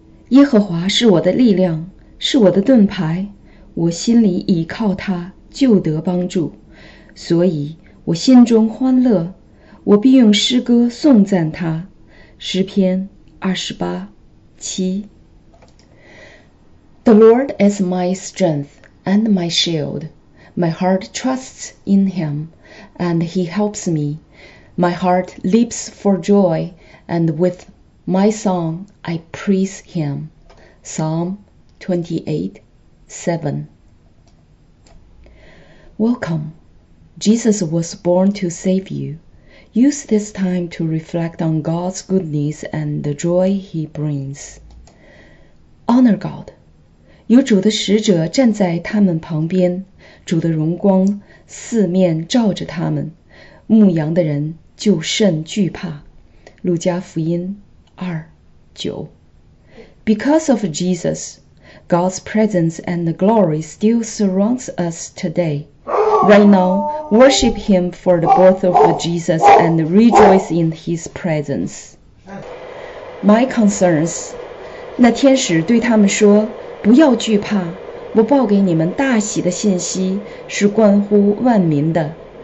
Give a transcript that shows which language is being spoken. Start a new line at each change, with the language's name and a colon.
Chinese: 耶和华是我的力量，是我的盾牌，我心里倚靠他，就得帮助。所以我心中欢乐，我必用诗歌颂赞他。诗篇28:7。
English: The Lord is my strength and my shield. My heart trusts in him, and he helps me. My heart leaps for joy, and with my song I praise him. Psalm 28:7. Welcome. Jesus was born to save you. Use this time to reflect on God's goodness and the joy he brings. Honor God.
Chinese: 有主的使者站在他们旁边，主的荣光四面照着他们，牧羊的人就甚惧怕。路加福音2:9。
English: Because of Jesus, God's presence and glory still surrounds us today. Right now, worship him for the birth of Jesus and rejoice in his presence. My concerns,
Chinese: 那天使对他们说，不要惧怕，我报给你们大喜的信息是关乎万民的。